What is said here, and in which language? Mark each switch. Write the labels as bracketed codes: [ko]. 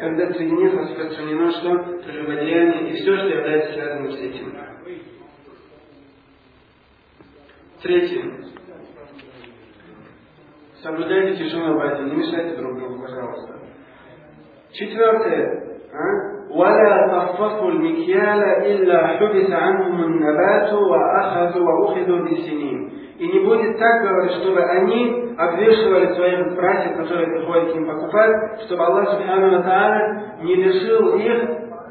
[ru] Когда среди них распространено, что прелюбодеяние и все, что является связанным с этим. Третье. Соблюдайте тишину в этом, не мешайте друг другу, пожалуйста. Четвертое. [ar] ولا تخففوا المكيال إلا حبس عنهم النبات وأخذوا وأخذوا بالسنين. [ru] И не будет так, говорят, чтобы они обвешивали своих братьев, которые приходят к ним покупать, чтобы Аллах Субхану ва Тааля не лишил их.